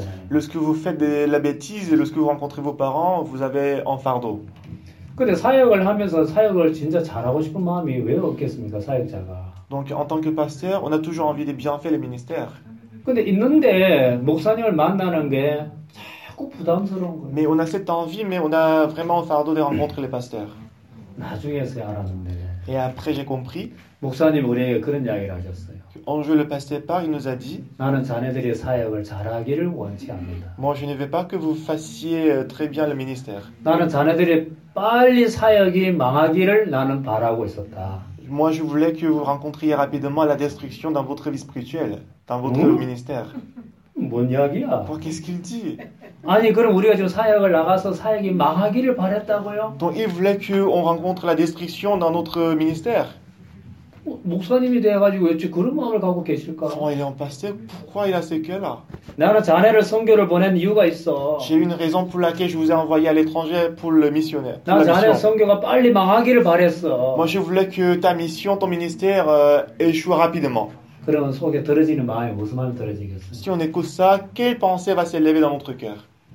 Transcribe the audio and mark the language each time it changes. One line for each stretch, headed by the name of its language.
French: Lorsque vous faites de la bêtise, lorsque vous rencontrez vos parents, vous avez un fardeau.
Korean: 근데 사역을 하면서 사역을 진짜 잘하고 싶은 마음이 왜 없겠습니까, 사역자가?
French: Donc en tant que pasteur, on a toujours envie de bien faire le ministère.
Korean: 근데 있는데 목사님을 만나는 게 꼭 부담스러운 거예요.
French: Mais on a cette envie, mais on a vraiment un fardeau de rencontrer les pasteurs.
Korean: 나중에서 알았는데.
French: Et après j'ai compris.
Korean: 목사님 우리에게 그런 이야기를 하셨어요.
French: Un jour le pasteur part, il nous a dit.
Korean: 나는 자네들이 사역을 잘하기를 원치 않는다.
French: Moi je ne veux pas que vous fassiez très bien le ministère.
Korean: 나는 자네들이 빨리 사역이 망하기를 나는 바라고 있었다.
French: Moi je voulais que vous rencontriez rapidement la destruction dans votre vie spirituelle, dans votre ministère.
Korean: 뭔 이야기야?
French: Quoi, qu'est-ce qu'il dit?
Korean: 아니 그럼 우리가 지금 사역을 나가서 사역이 망하기를 바랬다고요?
French: Donc il voulait qu'on rencontre la destruction dans notre ministère.
Korean: 목사님이 돼가지고 왜 그런 마음을 갖고 계실까?
French: Oh, il est un pasteur. Pourquoi il a ce cœur-là?
Korean: 나는 자네를 선교를 보낸 이유가 있어.
French: J'ai une raison pour laquelle je vous ai envoyé à l'étranger pour le missionnaire.
Korean: 나 자네 선교가 빨리 망하기를 바랬어.
French: Moi je voulais que ta mission, ton ministère échoue rapidement.
Korean: 그러면 속에 떨어지는 마음이 무슨 마음이 떨어지겠어?
French: Si on écoute ça, quelle pensée va s'élever dans notre cœur?